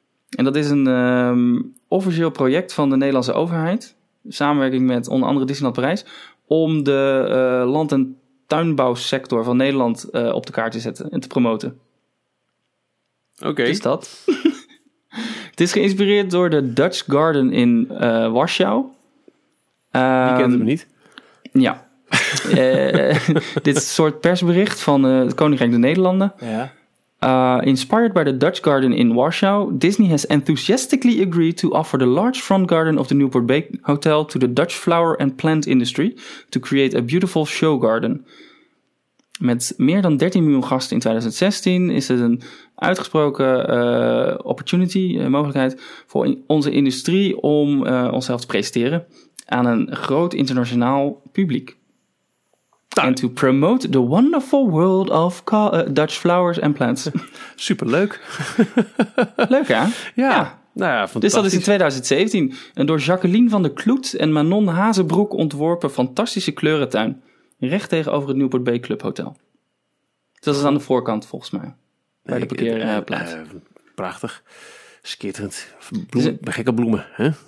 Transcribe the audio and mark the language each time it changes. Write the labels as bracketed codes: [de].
[nl] En dat is een officieel project van de Nederlandse overheid, samenwerking met onder andere Disneyland Parijs, om de land- en tuinbouwsector van Nederland op de kaart te zetten en te promoten. Oké. Okay. Is dat? Het is geïnspireerd door de Dutch Garden in Warschau. Die kent hem niet. Ja. dit soort persbericht van het Koninkrijk der Nederlanden. Ja. [en] Inspired by the Dutch Garden in Warschau, Disney has enthusiastically agreed to offer the large front garden of the Newport Bay Hotel to the Dutch flower and plant industry to create a beautiful show garden. [nl] Met meer dan 13 miljoen gasten in 2016 is het een uitgesproken opportunity, mogelijkheid voor onze industrie om onszelf te presenteren aan een groot internationaal publiek. [en] En to promote the wonderful world of Dutch flowers and plants. [nl] Superleuk. Leuk, hè? Ja. Nou ja, fantastisch. Dus dat is in 2017 een door Jacqueline van der Kloet en Manon Hazebroek ontworpen fantastische kleurentuin. Recht tegenover het Newport Bay Club Hotel. Dus dat is aan de voorkant, volgens mij. Bij de parkeerplaats. Prachtig. Skitterend. Bij gekke bloemen, hè?